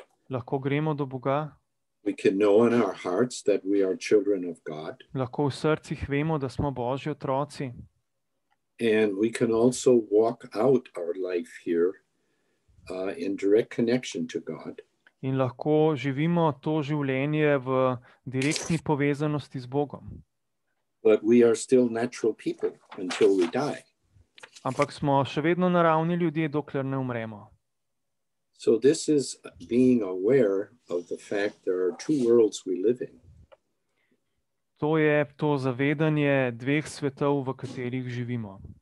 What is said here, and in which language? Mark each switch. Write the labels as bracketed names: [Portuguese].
[Slovenian] Lahko gremo do Boga. [English] We can know in our hearts that we are children of God. [Slovenian] Lahko v srcih vemo, da smo Božji otroci. [English] And we can also walk out our life here in direct connection to God. [Slovenian] In lahko živimo to življenje v direktni povezanosti z Bogom. [English] But we are still natural people until we die. [Slovenian] Ampak smo še vedno naravni ljudje, dokler ne umremo. [English] So this is being aware of the fact there are two worlds we live in. [Slovenian] To je to zavedanje dveh svetov, v katerih živimo.